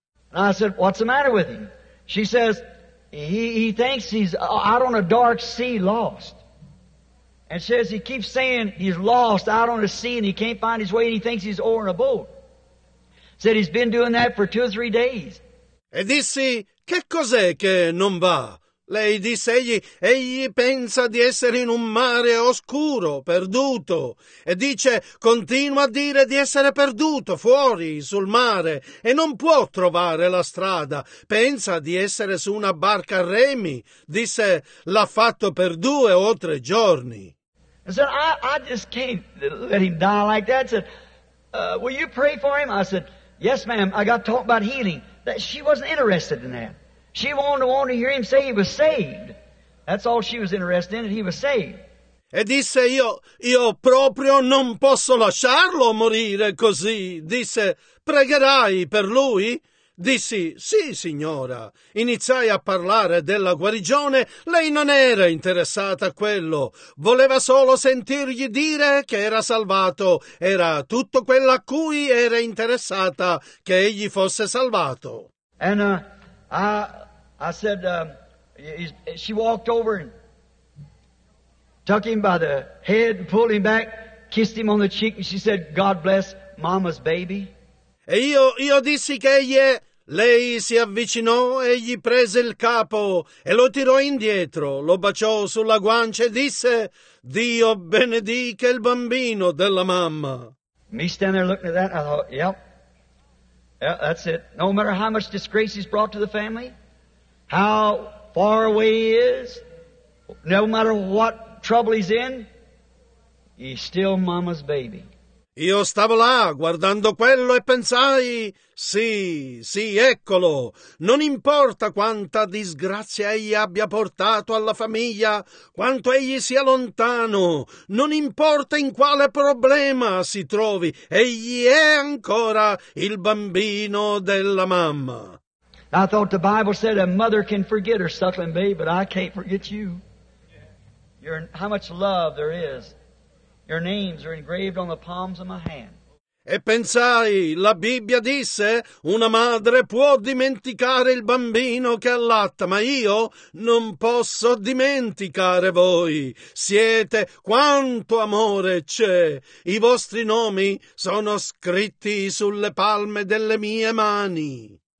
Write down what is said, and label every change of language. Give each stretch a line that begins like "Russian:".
English: And I said, what's the matter with him? She says, He thinks he's out on a dark sea lost. And says he keeps saying he's lost out on a sea and he can't find his way and he thinks he's over in a boat. Said he's been doing that for two or three days.
Italian: E dissi, che cos'è che non va? Lei disse, egli pensa di essere in un mare oscuro, perduto. E dice, continua a dire di essere perduto fuori sul mare e non può trovare la strada. Pensa di essere su una barca a remi. Disse, l'ha fatto per due o tre giorni.
English: I said, I just can't let him die like that. I said, will you pray for him? I said, yes, ma'am, I got to talk about healing. She wasn't interested in that. She wanted to hear him say he was saved. That's all she was interested in, that he was saved.
Italian: E disse, io proprio non posso lasciarlo morire così. Disse, pregherai per lui? Dissi, sì, signora. Iniziai a parlare della guarigione. Lei non era interessata a quello. Voleva solo sentirgli dire che era salvato. Era tutto quello a cui era interessata che egli fosse salvato.
English: And I said, she walked over and took him by the head and pulled him back, kissed him on the cheek, and she said, God bless mama's baby.
Italian: E io dissi che lei si avvicinò e gli prese il capo e lo tirò indietro, lo baciò sulla guancia e disse, Dio benedica il bambino della mamma.
English: Me stand there looking at that, and I thought, yep, that's it. No matter how much disgrace he's brought to the family, how far away he is, no matter what trouble he's in, he's still mama's baby.
Italian: Io stavo là guardando quello e pensai, sì, sì, eccolo, non importa quanta disgrazia egli abbia portato alla famiglia, quanto egli sia lontano, non importa in quale problema si trovi, egli è ancora il bambino della mamma.
English: I thought the Bible said a mother can forget her suckling babe, but I can't forget you. You're, how much love there is. Your names are engraved on the palms of my hand.
Italian: E pensai, la Bibbia disse, una madre può dimenticare il bambino che allatta, ma io non posso dimenticare voi. Siete, quanto amore c'è! I vostri nomi sono scritti sulle palme delle mie mani.